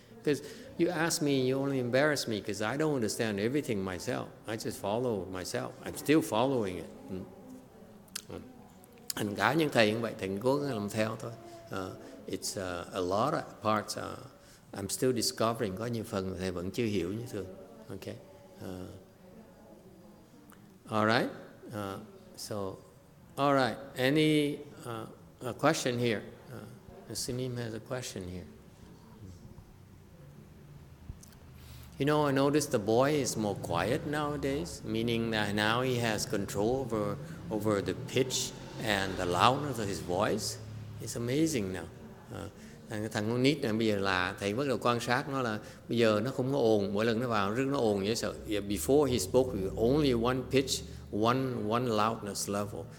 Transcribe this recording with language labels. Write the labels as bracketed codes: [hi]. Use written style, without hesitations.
[en] Because you ask me, you only embarrass me because I don't understand everything myself. I just follow myself. I'm still following it. [vi] Anh cá nhân thầy cũng vậy. Thầy cố gắng làm theo thôi. [en] It's a lot of parts. I'm still discovering. [vi] Có nhiều phần thầy vẫn chưa hiểu như thường. [en] Okay. All right. So, all right. Any a question here? Sunim has a question here. You know, I noticed the boy is more quiet nowadays, meaning that now he has control over the pitch and the loudness of his voice. It's amazing now. [vi] Thằng con nít này bây giờ là thầy bắt đầu quan sát nó là bây giờ nó không có ồn, mỗi lần nó vào rất nó ồn dễ sợ. [en] Before he spoke with only one pitch, one loudness level.